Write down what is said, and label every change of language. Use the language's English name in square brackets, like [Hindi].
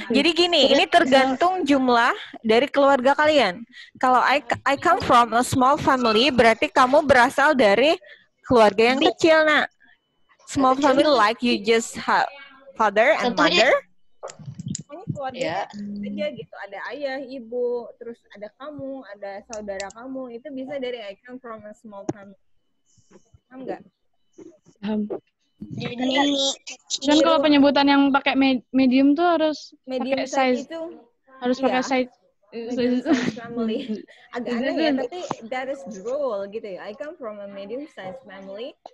[Indonesian] Jadi gini, ini tergantung jumlah dari keluarga kalian. Kalau [English] I come from a small family, [Indonesian] berarti kamu berasal dari keluarga yang kecil, Nak. [English] Small family like you just have father and [Indonesian] contohnya, [English] mother. [Indonesian] Kamu keluarga aja gitu, ada ayah, ibu, terus ada kamu, ada saudara kamu, itu bisa dari [English] I come from a small family. [Indonesian] Paham enggak? Paham. Dan kalau penyebutan yang pakai medium tuh harus [English] medium [Indonesian] pakai size itu harus pakai size. Agak aneh ya, tapi [English] that is the rule [Indonesian] gitu ya. [English] I come from a medium-sized family.